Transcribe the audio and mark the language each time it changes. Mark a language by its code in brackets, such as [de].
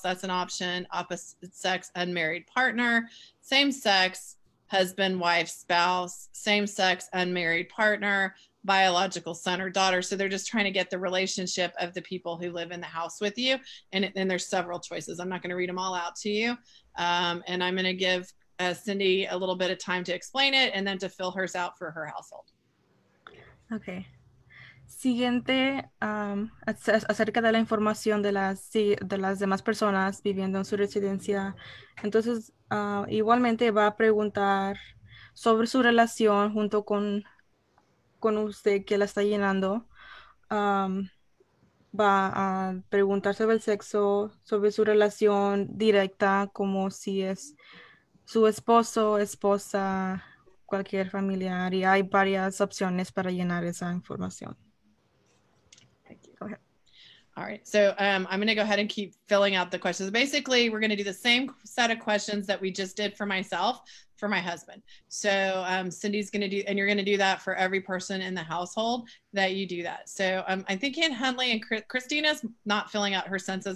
[en] That's an option. Opposite sex, unmarried partner, same sex, husband, wife, spouse, same sex, unmarried partner, biological son or daughter. So they're just trying to get the relationship of the people who live in the house with you. And then there's several choices. I'm not going to read them all out to you. And I'm going to give Cindy a little bit of time to explain it and then to fill hers out for her household. Okay. [es] Siguiente, acerca de la información de las demás personas viviendo en su residencia. Entonces, igualmente va a preguntar sobre su relación junto con usted que la está llenando. Va a preguntar sobre el sexo, sobre su relación directa, como si es su esposo, esposa, cualquier familiar, y hay varias opciones para llenar esa información. [en] All right, so I'm gonna go ahead and keep filling out the questions. Basically, we're gonna do the same set of questions that we just did for myself, for my husband. So Cindy's gonna do, and you're gonna do that for every person in the household that you do that. So I think Ann Huntley and Christina's not filling out her census.